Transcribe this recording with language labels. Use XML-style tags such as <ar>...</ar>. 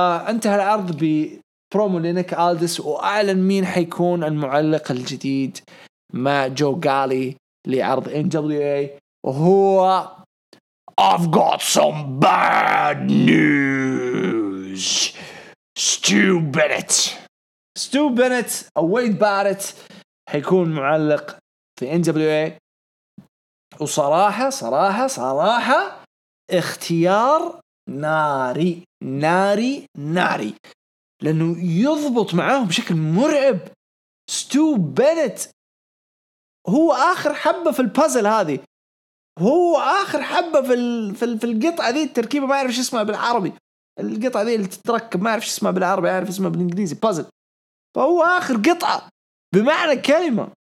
<ar>انتهى العرض ببرومو لينيك آلدس، وأعلن مين حيكون المعلق الجديد مع جو غالي لعرض NWA، وهو</ar> <en>I've got some bad news.</en> <ar>Stu Bennett or Wade Barrett حيكون معلق في NWA. وصراحة صراحة صراحة اختيار ناري ناري ناري، لأنه يضبط معاهم بشكل مرعب. Stu Bennett هو آخر حبة في البازل هذه، هو آخر حبة في القطعة ذي، التركيبة ما أعرف شو اسمها بالعربي، القطعة ذي اللي تتركب ما أعرف شو اسمها بالعربي، أعرف اسمها بالإنجليزي بازل، فهو آخر قطعة بمعنى كلمة.</ar>